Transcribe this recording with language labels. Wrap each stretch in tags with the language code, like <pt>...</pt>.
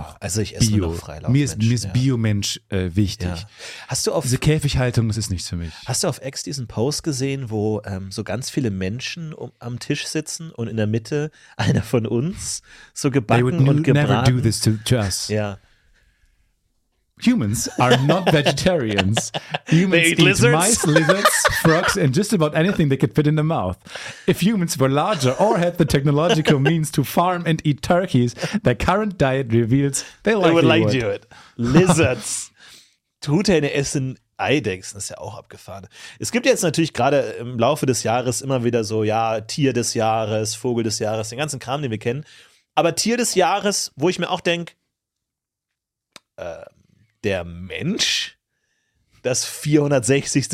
<de>Noch. Also ich esse Bio. Nur noch Freilaufmenschen. Mir ist Biomensch wichtig. Ja. Hast du auf diese Käfighaltung, das ist nichts für mich. Hast du auf X diesen Post gesehen, wo so ganz viele Menschen am Tisch sitzen und in der Mitte einer von uns so gebacken</de> <en>They would</en> <de>und gebraten?</de> <en>Never do this to us.</en> <de>Ja.</de> <en>Humans are not vegetarians. Humans eat lizards. Mice, lizards, frogs, and just about anything they could fit in their mouth. If humans were larger or had the technological means to farm and eat turkeys, their current diet reveals they would. Lizards.</en> <de>Truthähne essen Eidechsen, ist ja auch abgefahren. Es gibt jetzt natürlich gerade im Laufe des Jahres immer wieder so, ja, Tier des Jahres, Vogel des Jahres, den ganzen Kram, den wir kennen. Aber Tier des Jahres, wo ich mir auch denke, der Mensch, das 460.</de>